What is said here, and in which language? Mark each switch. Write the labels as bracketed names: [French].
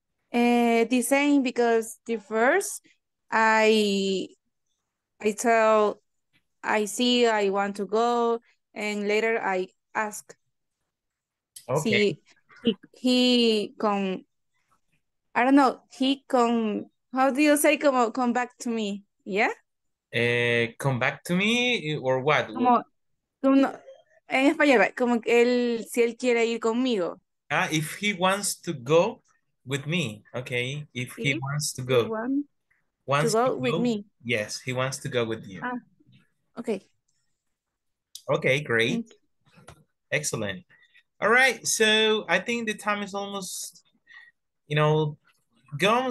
[English] The same, because the first I tell I see I want to go. And later, I ask. Okay. Si, he con, I don't know, he con, how do you say como, come back to me? Yeah? Come back to me or what? [Spanish] Como, como, en español, como él, si él quiere ir conmigo. [English] Ah, if he wants to go with me, okay. If he wants to go. Wants to go with me. Yes, he wants to go with you. Ah, okay. Okay, great. Excellent. All right, so I think the time is almost, you know, gone.